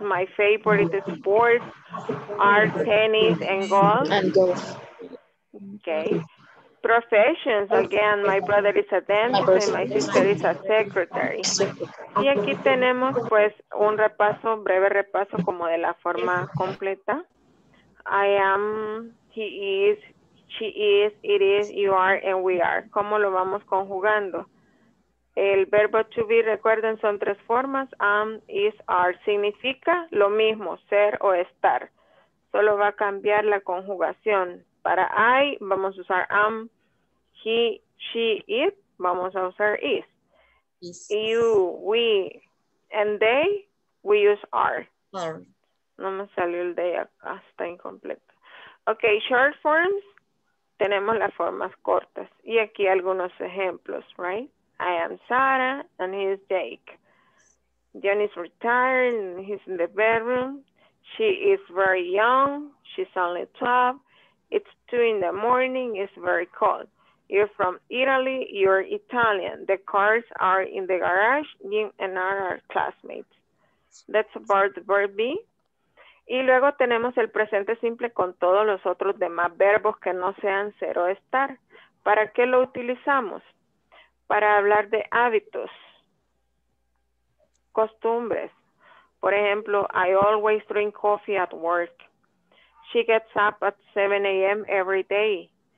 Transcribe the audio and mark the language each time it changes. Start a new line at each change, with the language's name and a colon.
English: My favorite sports are tennis and golf. Okay. Professions, again, my brother is a dentist and my sister is a secretary.
Spanish: Y aquí tenemos pues un repaso, un breve repaso como de la forma completa.
English: I am, he is, she is, it is, you are, and we are.
Spanish: ¿Cómo lo vamos conjugando? El verbo to be, recuerden, son tres formas. Am, is, are. Significa lo mismo, ser o estar. Solo va a cambiar la conjugación. Para I, vamos a usar am. He, she, it, vamos a usar is.
English: You, we, and they, we use are.
Spanish: No me salió el they, está incompleto. Ok,
English: short forms,
Spanish: tenemos las formas cortas. Y aquí algunos ejemplos,
English: right? I am Sarah, and he is Jake. John is retired, and he's in the bedroom. She is very young, she's only 12. It's 2 in the morning, it's very cold. You're from Italy, you're Italian. The cars are in the garage, Jim and I are classmates. That's about the verb be.
Spanish: Y luego tenemos el presente simple con todos los otros demás verbos que no sean ser o estar. ¿Para qué lo utilizamos? Para hablar de hábitos, costumbres. Por ejemplo,
English: I always drink coffee at work. She gets up at 7 a.m. every day.